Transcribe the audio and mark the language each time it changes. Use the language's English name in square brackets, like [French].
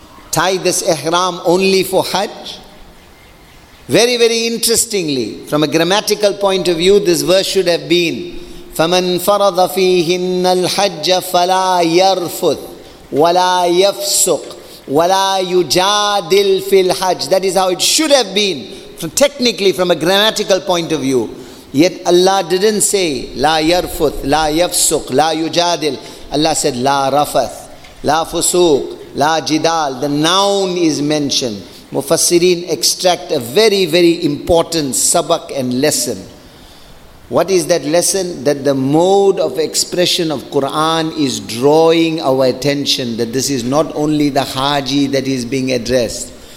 [English] Tie this ihram only for hajj? Very, very interestingly, from a grammatical point of view, this verse should have been, [Arabic] فَمَنْ فَرَضَ فِيهِنَّ الْحَجَّ فَلَا يَرْفُثْ وَلَا يَفْسُقْ وَلَا يُجَادِلْ فِي الْحَجْ. [English] That is how it should have been, technically, from a grammatical point of view. Yet Allah didn't say, [Arabic] لَا يَرْفُثْ لَا يَفْسُقْ لَا يُجَادِلْ. [English] Allah said, [Arabic] لَا رَفَثْ لَا فُسُوقْ لَا جِدَالْ. [English] The noun is mentioned. Mufassirin extract a very, very important sabak and lesson. What is that lesson? That the mode of expression of Quran is drawing our attention. That this is not only the haji that is being addressed.